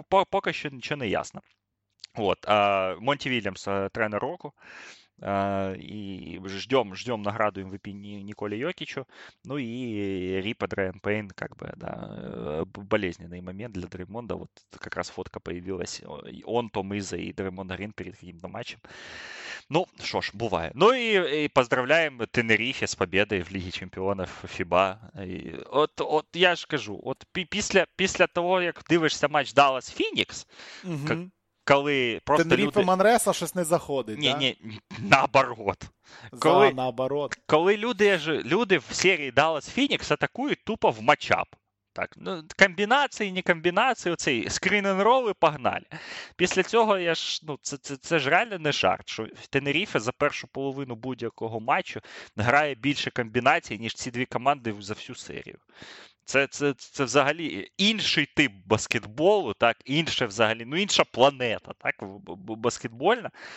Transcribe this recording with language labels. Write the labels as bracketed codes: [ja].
[uk] Поки що нічого не ясно. Вот, Монті Вільямс, тренер року. [ru] І ждем награду MVP Ніколі Йокічу. Ну і Ріп Адріан Пейн, как бы, да, болезненный момент для Дреймонда. Вот как раз фотка появилась. Он, Том Иза и Дреймонд Грин перед каким-то матчем. Ну, что ж, бывает. Ну и поздравляем Тенерифе с победой в Лиге Чемпионов ФИБА. [uk] От я ж кажу, от після того, як дивишся матч Dallas Phoenix, коли просто Тенеріфе люди... Манреса щось не заходить, ні, [ru] да? Ні, наоборот. Наоборот. [uk] Коли люди в серії Dallas Phoenix атакують тупо в матчап. Так, ну, комбінації, не комбінації, оцей скрін енд рол і погнали. Після цього я ж, ну, це ж реально не жарт, що Тенеріфе за першу половину будь-якого матчу грає більше комбінацій, ніж ці дві команди за всю серію. Це взагалі інший тип баскетболу, так, інше взагалі, ну, інша планета, так, баскетбольна.